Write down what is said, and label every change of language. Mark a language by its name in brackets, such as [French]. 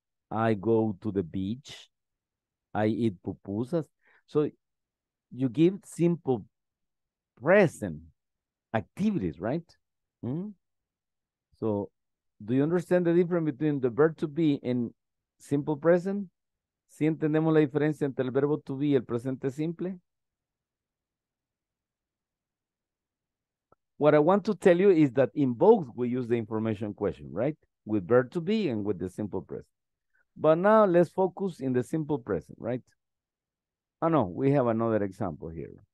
[English] I go to the beach. I eat pupusas. So you give simple present activities, right? Mm-hmm. So do you understand the difference between the verb to be and simple present? [Spanish] ¿Sí entendemos la diferencia entre el verbo to be y el presente simple? [English] What I want to tell you is that in both we use the information question, right? With verb to be and with the simple present. But now let's focus in the simple present, right? Oh no, we have another example here.